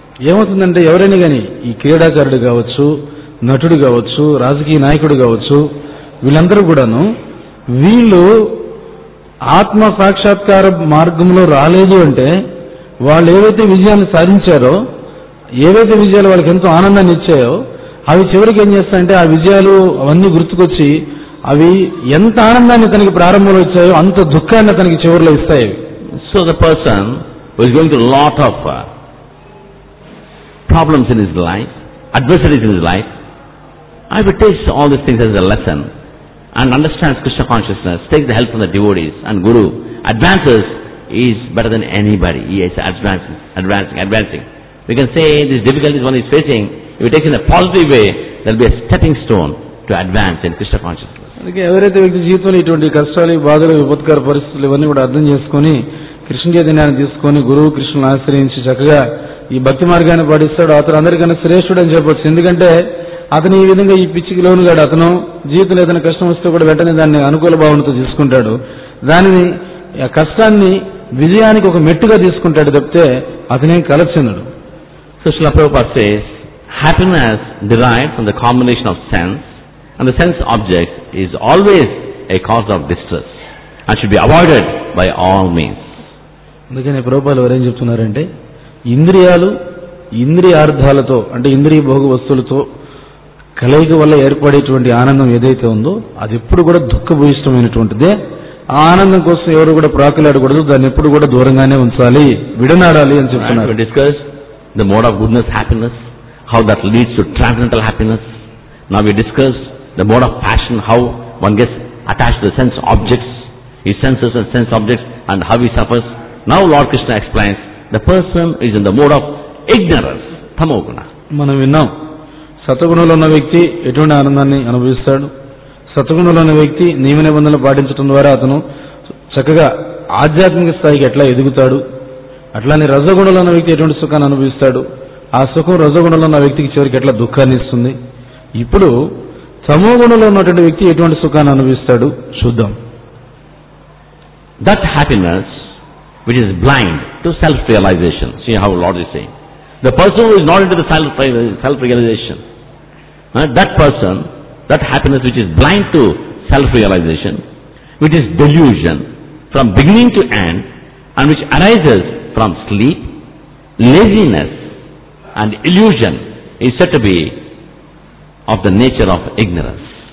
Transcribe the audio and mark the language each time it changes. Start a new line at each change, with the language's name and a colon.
Telugu: ఏమవుతుందంటే ఎవరైనా కానీ ఈ క్రీడాకారుడు కావచ్చు, నటుడు కావచ్చు, రాజకీయ నాయకుడు కావచ్చు, వీళ్ళందరూ కూడాను వీళ్ళు ఆత్మ సాక్షాత్కార మార్గంలో రాలేదు అంటే వాళ్ళు ఏవైతే విజయాన్ని సాధించారో, ఏవైతే విజయాలు వాళ్ళకి ఎంతో ఆనందాన్ని ఇచ్చాయో అవి చివరికి ఏం చేస్తాయంటే ఆ విజయాలు అవన్నీ గుర్తుకొచ్చి అవి ఎంత ఆనందాన్ని అతనికి ప్రారంభంలో ఇచ్చాయో అంత దుఃఖాన్ని అతనికి చివరిలో ఇస్తాయి.
English: So the person was going to lot of problems in his life, adversities in his life, I would taste all these things as a lesson and understands Krishna consciousness, takes the help from the devotees and guru, advances, he is better than anybody, he is advancing. We can say these difficulties one is facing, if you take in a positive way, there will be a stepping stone to advance in Krishna consciousness.
Telugu: అందుకే ఎవరైతే వ్యక్తి జీవితంలో ఇటువంటి కష్టాలు, బాధలు, విపత్కర పరిస్థితులు ఇవన్నీ కూడా అర్థం చేసుకుని కృష్ణ చైతన్యాన్ని తీసుకుని గురువు కృష్ణుని ఆశ్రయించి చక్కగా ఈ భక్తి మార్గాన్ని పాటిస్తాడు అతను అందరికన్నా శ్రేష్ఠుడు అని చెప్పొచ్చు. ఎందుకంటే అతను ఈ విధంగా ఈ పిచ్చికి లోను గాడు. అతను జీవితంలో ఏదైనా కష్టం వస్తే కూడా వెంటనే దాన్ని అనుకూల భావనతో తీసుకుంటాడు, దానిని కష్టాన్ని విజయానికి ఒక మెట్టుగా తీసుకుంటాడు. తప్పితే అతనే కలచిందడు.
English: Srila Prabhupada says happiness derived from the combination of sense and the sense object is always a cause of distress and should be avoided by all means.
Telugu: అందుకనే ప్రభుపాద ఎవరేం చెప్తున్నారంటే ఇంద్రియాలు ఇంద్రియార్థాలతో అంటే ఇంద్రియ భోగ వస్తువులతో కలయిక వల్ల ఏర్పడేటువంటి ఆనందం ఏదైతే ఉందో అది ఎప్పుడు కూడా దుఃఖభూయిష్టమైనటువంటిదే. ఆ ఆనందం కోసం ఎవరు కూడా ప్రాకులాడకూడదు, దాన్ని ఎప్పుడు కూడా దూరంగానే ఉంచాలి, విడనాడాలి అని చెప్తున్నారు.
English: Discuss the mode of goodness happiness, how that leads to transcendental happiness. Now we discuss the mode of passion, how one gets attached to the sense objects, his senses and sense objects, and how he suffers. Now Lord Krishna explains, the person is in the mode of ignorance, tamoguna.
Telugu: Manam vinnam సత్గుణంలోన్న వ్యక్తి ఎటువంటి ఆనందాన్ని అనుభవిస్తాడు? సత్గుణంలో ఉన్న వ్యక్తి నియమ నిబంధనలు పాటించడం ద్వారా అతను చక్కగా ఆధ్యాత్మిక స్థాయికి ఎట్లా ఎదుగుతాడు? అట్లానే రజగుణంలో ఉన్న వ్యక్తి ఎటువంటి సుఖాన్ని అనుభవిస్తాడు? ఆ సుఖం రజగుణంలో ఉన్న వ్యక్తికి చివరికి ఎట్లా దుఃఖాన్ని ఇస్తుంది? ఇప్పుడు తమోగుణంలో ఉన్నటువంటి వ్యక్తి ఎటువంటి సుఖాన్ని అనుభవిస్తాడు చూద్దాం.
English: That happiness which is blind to self realisation. See how Lord is saying. The person who is not into the self-realization, that person, that happiness which is blind to self-realization, which is delusion from beginning to end, and which arises from sleep, laziness and illusion, is said to be of the nature of ignorance.